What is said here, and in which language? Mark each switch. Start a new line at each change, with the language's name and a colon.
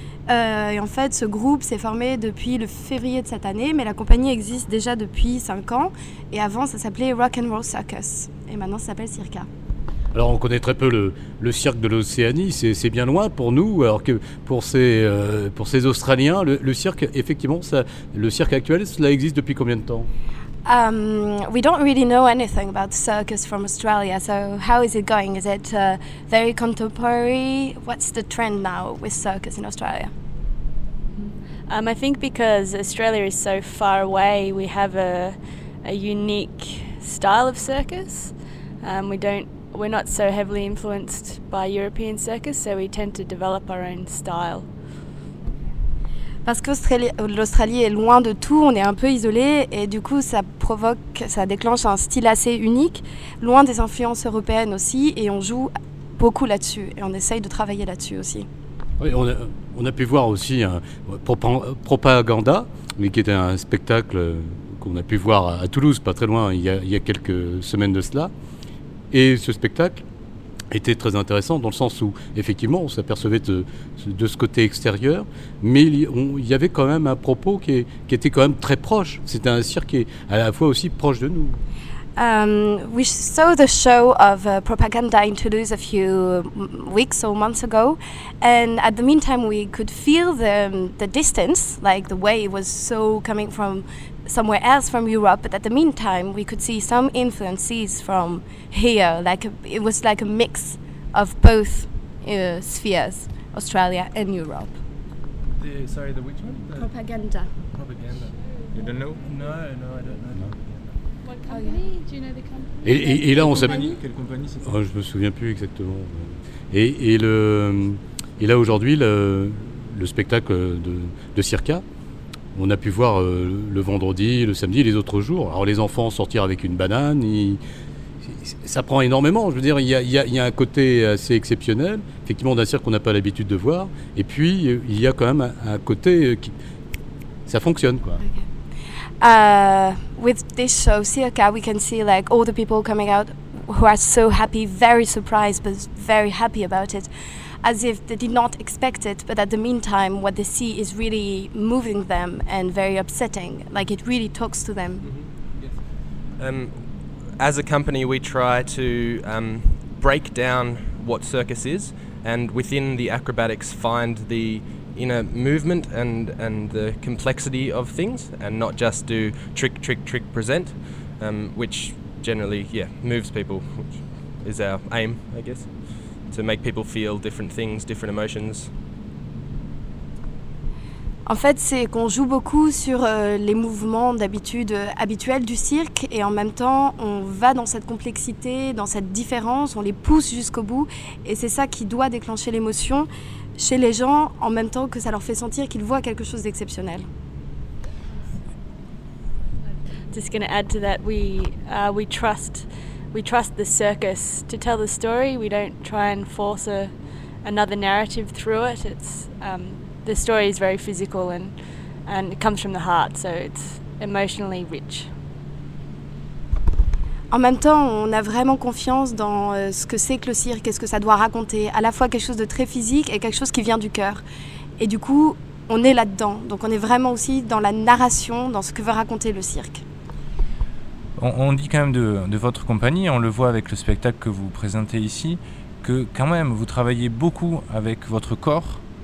French: Et en fait, ce groupe s'est formé depuis le février de cette année, mais la compagnie existe déjà depuis 5 ans. Et avant, ça s'appelait Rock and Roll Circus. Et maintenant, ça s'appelle Circa. Alors, on connaît très peu le cirque de l'Océanie. C'est bien loin pour nous, alors que pour ces Australiens, le cirque, effectivement, le cirque actuel, cela existe depuis combien de temps?
English: We don't really know anything about circus from Australia. So, how is it going? Is it very contemporary? What's the trend now with circus in Australia? I think because Australia is so far away, we have a unique style of circus. We're not so heavily influenced by European circus, so we tend to develop our own style.
French: Parce que l'Australie est loin de tout, on est un peu isolé, et du coup ça déclenche un style assez unique, loin des influences européennes aussi, et on joue beaucoup là-dessus, et on essaye de travailler là-dessus aussi. Oui, on a pu voir aussi Propaganda, mais qui était un spectacle qu'on a pu voir à Toulouse, pas très loin, il y a quelques semaines de cela. Et ce spectacle, était très intéressant dans le sens où, effectivement, on s'apercevait de ce côté extérieur, mais il y avait quand même un propos qui était quand même très proche. C'était un cirque qui est à la fois aussi proche de nous.
English: We saw the show of propaganda in Toulouse a few weeks or months ago, and at the meantime we could feel the distance, like the way it was so coming from somewhere else from Europe, but at the meantime we could see some influences from here, like it was like a mix of both spheres, Australia and Europe. The which one? The propaganda. Propaganda. You don't know? No, I don't know. No.
French: Et là, on s'appelle. Quelle compagnie c'est ça ? Oh, je me souviens plus exactement. Et là, aujourd'hui, le spectacle de Circa, on a pu voir le vendredi, le samedi, les autres jours. Alors, les enfants sortir avec une banane, ça prend énormément. Je veux dire, il y a un côté assez exceptionnel, effectivement, d'un cirque qu'on n'a pas l'habitude de voir. Et puis, il y a quand même un côté qui. Ça fonctionne, quoi. Okay.
English: With this show, Circa, we can see like all the people coming out who are so happy, very surprised, but very happy about it, as if they did not expect it. But at the meantime, what they see is really moving them and very upsetting. Like it really talks to them. Mm-hmm. Yes. As a company, we try to break down what circus is, and within the acrobatics, find the inner movement and the complexity of things, and not just do trick present, which generally moves people, which is our aim, I guess, to make people feel different things, different emotions.
French: En fait, c'est qu'on joue beaucoup sur les mouvements d'habitude habituels du cirque, et en même temps, on va dans cette complexité, dans cette différence, on les pousse jusqu'au bout, et c'est ça qui doit déclencher l'émotion chez les gens, en même temps que ça leur fait sentir qu'ils voient quelque chose d'exceptionnel. Just going to add to that, we trust the circus to tell the story. We don't try and force another narrative through it. It's the story is very physical and it comes from the heart, so it's emotionally rich. En même temps, on a vraiment confiance dans ce que c'est que le cirque et ce que ça doit raconter. À la fois quelque chose de très physique et quelque chose qui vient du cœur. Et du coup, on est là-dedans. Donc on est vraiment aussi dans la narration, dans ce que veut raconter le cirque. On dit quand même de votre compagnie, on le voit avec le spectacle que vous présentez ici, que quand même, vous travaillez beaucoup avec votre corps.